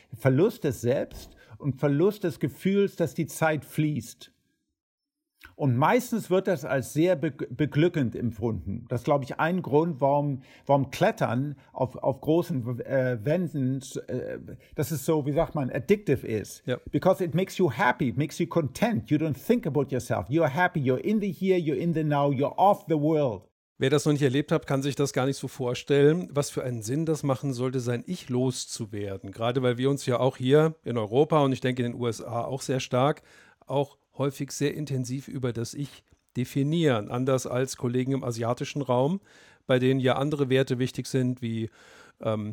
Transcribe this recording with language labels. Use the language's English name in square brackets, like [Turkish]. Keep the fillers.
[German] Verlust des Selbst und Verlust des Gefühls, dass die Zeit fließt. Und meistens wird das als sehr be beglückend empfunden. Das ist, glaube ich, ein Grund, warum, warum Klettern auf, auf großen äh, Wänden, äh, das ist so, wie sagt man, addictive ist. Ja. [English] Because it makes you happy, makes you content. You don't think about yourself. You're happy, you're in the here, you're in the now, you're off the world. [German] Wer das noch nicht erlebt hat, kann sich das gar nicht so vorstellen, was für einen Sinn das machen sollte, sein Ich loszuwerden. Gerade weil wir uns ja auch hier in Europa und ich denke in den USA auch sehr stark, auch häufig sehr intensiv über das Ich definieren. Anders als Kollegen im asiatischen Raum, bei denen ja andere Werte wichtig sind, wie ähm,